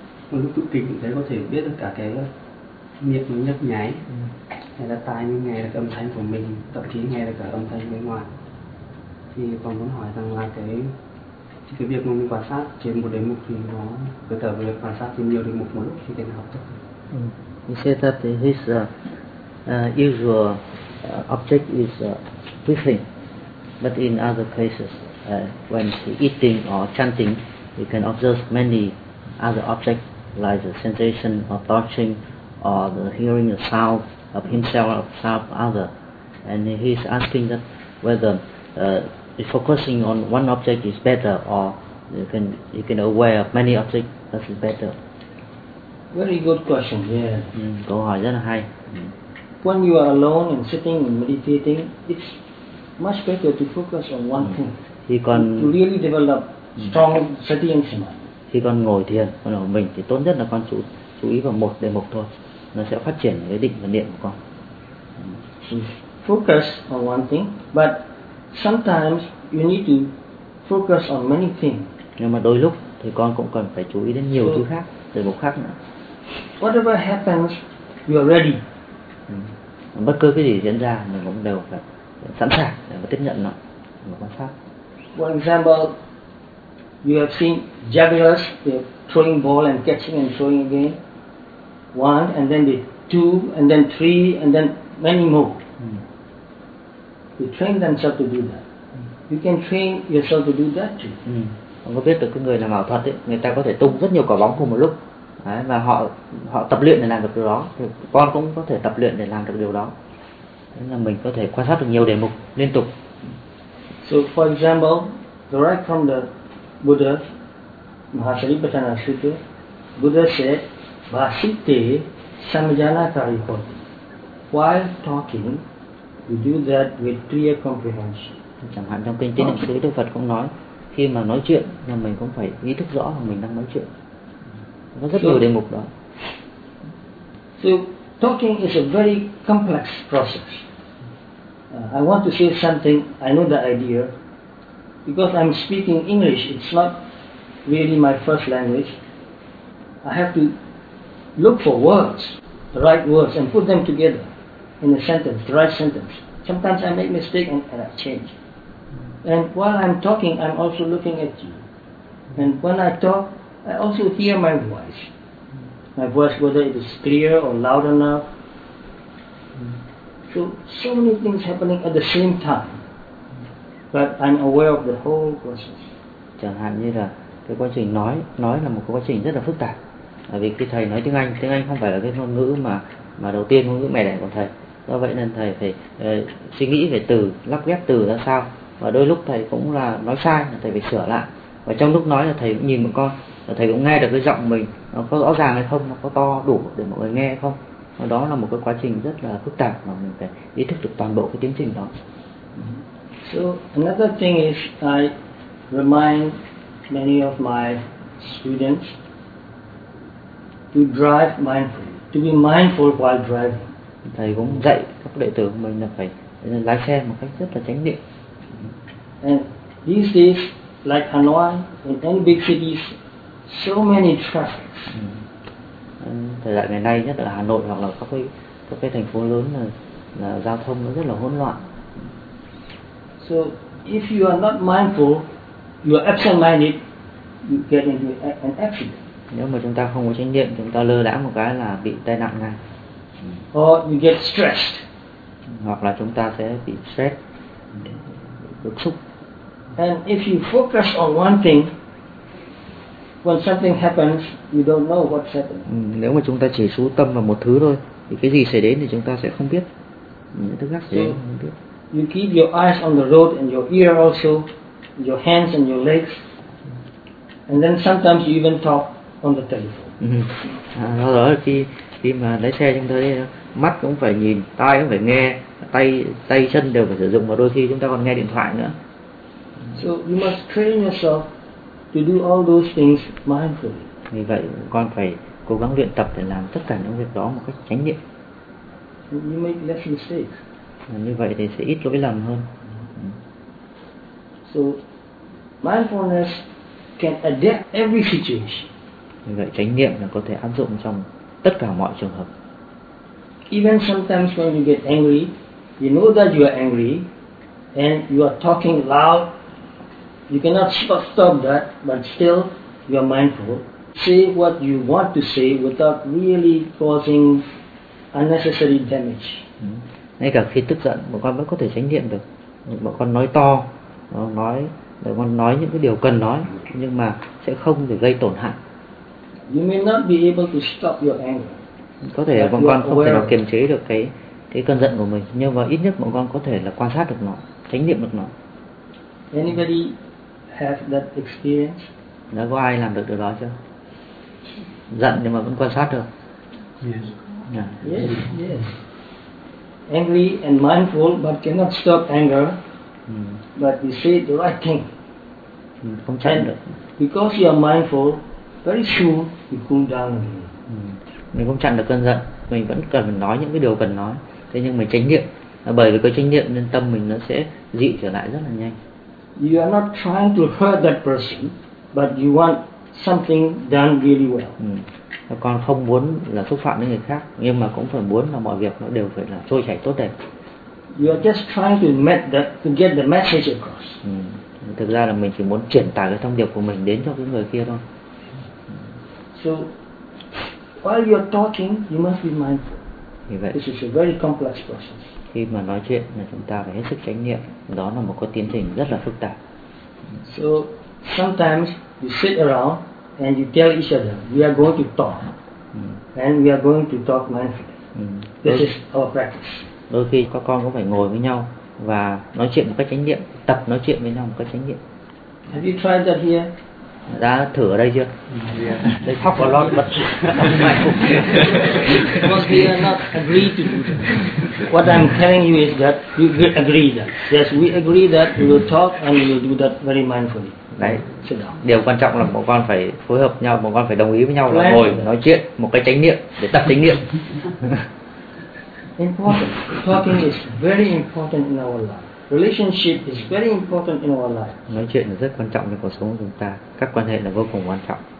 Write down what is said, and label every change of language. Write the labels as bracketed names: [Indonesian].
[Vietnamese] Một lúc tụng kinh cũng thấy có thể biết được cả cái miệng nó nhấp nháy hay là tai mình nghe được âm thanh của mình, thậm chí nghe được cả âm thanh bên ngoài. Thì còn muốn hỏi rằng là cái việc mà mình quan sát trên một đề mục thì nó cơ thể việc quan sát trên nhiều đề mục một lúc thì thế nào tốt? [English] He said that his usual object is breathing, but in other cases, when eating or chanting, you can observe many other objects like the sensation of touching or the hearing the sound of himself or sound of others. And he is asking that whether focusing on one object is better or you can aware of many objects that is better. Very good question. Yeah. [Vietnamese] Câu hỏi rất là hay. [English] When you are alone and sitting and meditating, it's much better to focus on one thing. [Vietnamese] Khi còn [English] to really develop strong sati and samadhi. [Vietnamese] Khi con ngồi thiền, con ở mình thì tốt nhất là con chú ý vào một đề mục thôi. Nó sẽ phát triển cái định và niệm của con. [English] Focus on one thing, but sometimes you need to focus on many things. [Vietnamese] Nhưng mà đôi lúc thì con cũng cần phải chú ý đến nhiều thứ khác. Đề mục khác nữa. [English] Whatever happens, you are ready. [Vietnamese] Bất cứ cái gì diễn ra, mình cũng đều phải sẵn sàng để mà tiếp nhận nó, mà quan sát. [English] For example, you have seen jugglers throwing ball and catching and throwing again. One, and then the two, and then three, and then many more. They train themselves to do that. You can train yourself to do that too. [Vietnamese] Ông có biết được cái người làm ảo thuật ấy, người ta có thể tung rất nhiều quả bóng cùng một lúc. Đấy, và họ tập luyện để làm được điều đó. Thì con cũng có thể tập luyện để làm được điều đó. Thế là mình có thể quan sát được nhiều đề mục liên tục. [English] So for example, the right from the Buddha, Mahasaripatthana Sutta, Buddha said, [Pali] Vasitte samajana karikoti. [English] While talking, you do that with clear comprehension. [Vietnamese] Chẳng hạn trong kinh Tín Niệm Xứ, Đức Phật cũng nói, khi mà nói chuyện là mình cũng phải ý thức rõ là mình đang nói chuyện. Nó rất nhiều đề mục đó. [English] So talking is a very complex process. I want to say something, I know the idea. Because I'm speaking English, it's not really my first language. I have to look for words, the right words, and put them together in a sentence, the right sentence. Sometimes I make mistakes and I change. And while I'm talking, I'm also looking at you. And when I talk, I also hear my voice. My voice, whether it is clear or loud enough. So many things happening at the same time. But I'm aware of the whole process. [Vietnamese] Chẳng hạn như là cái quá trình nói là một quá trình rất là phức tạp. Bởi vì cái thầy nói tiếng Anh không phải là cái ngôn ngữ mà đầu tiên ngôn ngữ mẹ đẻ của thầy. Do vậy nên thầy phải suy nghĩ về từ, lắp ghép từ ra sao. Và đôi lúc thầy cũng là nói sai, thầy phải sửa lại. Và trong lúc nói là thầy cũng nhìn một con, thầy cũng nghe được cái giọng mình nó có rõ ràng hay không, nó có to đủ để mọi người nghe hay không. Và đó là một cái quá trình rất là phức tạp mà mình phải ý thức được toàn bộ cái tiến trình đó. [English] So another thing is I remind many of my students to drive mindfully, to be mindful while driving. [Vietnamese] Thầy cũng dạy các đệ tử của mình là phải lái xe một cách rất là chánh niệm. [English] And these days, like Hanoi, in any big cities, so many traffics. [Vietnamese] Thời đại ngày nay, nhất là Hà Nội hoặc là các cái thành phố lớn là giao thông nó rất là hỗn loạn. [English] So if you are not mindful, you are absent-minded, you get into an accident. [Vietnamese] Nếu mà chúng ta không có chánh niệm, chúng ta lơ đãng một cái là bị tai nạn ngay. [English] Or you get stressed. [Vietnamese] Hoặc là chúng ta sẽ bị stress. [English] And if you focus on one thing, when something happens, you don't know what's happening. [Vietnamese] Nếu mà chúng ta chỉ chú tâm vào một thứ thôi, thì cái gì xảy đến thì chúng ta sẽ không biết. Những thứ khác sẽ không biết. [English] You keep your eyes on the road and your ear also, your hands and your legs, and then sometimes you even talk on the telephone. [Vietnamese] Đó là khi mà lái xe chúng ta đi, mắt cũng phải nhìn, tai cũng phải nghe. Tay chân đều phải sử dụng và đôi khi chúng ta còn nghe điện thoại nữa. [English] So you must train yourself to do all those things mindfully. [Vietnamese] Vì vậy con phải cố gắng luyện tập để làm tất cả những việc đó một cách chánh niệm. [English] You make less mistakes. [Vietnamese] Như vậy thì sẽ ít lỗi lầm hơn. [English] So mindfulness can adapt every situation. [Vietnamese] Như vậy chánh niệm là có thể áp dụng trong tất cả mọi trường hợp. [English] Even sometimes when you get angry, you know that you are angry, and you are talking loud. You cannot stop that, but still you are mindful. Say what you want to say without really causing unnecessary damage. [Vietnamese] Ngay cả khi tức giận, bọn con vẫn có thể chánh niệm được. Bọn con nói to, nói, bọn con nói những cái điều cần nói, nhưng mà sẽ không để gây tổn hại. [English] You may not be able to stop your anger. [Vietnamese] Có thể bọn con không thể nào kiềm chế được cái cơn giận của mình, nhưng mà ít nhất bọn con có thể là quan sát được nó, chánh niệm được nó. [English] Anybody have that experience? [Vietnamese] Đã có ai làm được điều đó chưa? Giận nhưng mà vẫn quan sát được. [English] Yes. Angry and mindful, but cannot stop anger. But you say the right thing. [Vietnamese] Không chặn được. [English] Because you are mindful, very soon you cool down. [Vietnamese] Mình không chặn được cơn giận, mình vẫn cần phải nói những cái điều cần nói. Thế nhưng mình chánh niệm, bởi vì có chánh niệm nên tâm mình nó sẽ dịu trở lại rất là nhanh. [English] You are not trying to hurt that person, but you want something done really well. [Vietnamese] Con không muốn là xúc phạm đến người khác, nhưng mà cũng phải muốn là mọi việc nó đều phải là trôi chảy tốt đẹp. [English] You are just trying to get the message across. [Vietnamese] Thực ra là mình chỉ muốn truyền tải cái thông điệp của mình đến cho cái người kia thôi. [English] So while you are talking, you must be mindful. [Vietnamese] Vậy, [English] this is a very complex process. [Vietnamese] Khi mà nói chuyện là chúng ta phải hết sức chánh niệm, đó là một cái tiến trình rất là phức tạp. [English] So sometimes you sit around and you tell each other, we are going to talk, and we are going to talk mindfully. This is our practice. [Vietnamese] Đôi khi các con cũng phải ngồi với nhau và nói chuyện một cách chánh niệm, tập nói chuyện với nhau một cách chánh niệm. [English] Have you tried that here? [Vietnamese] Đã thử ở đây chưa? [English] Yeah. Đây khóc và lo bật. Because we are not agreed to do that. What I'm telling you is that you agree that. Yes, we agree that we will talk and we will do that very mindfully. [Vietnamese] Đấy, điều quan trọng là bọn con phải phối hợp nhau, bọn con phải đồng ý với nhau là ngồi nói chuyện một cái chánh niệm để tập chánh niệm. [English] Important. Talking is very important in our life. Relationship is very important in our life. [Vietnamese] Nói chuyện là rất quan trọng trong cuộc sống của chúng ta. Các quan hệ là vô cùng quan trọng.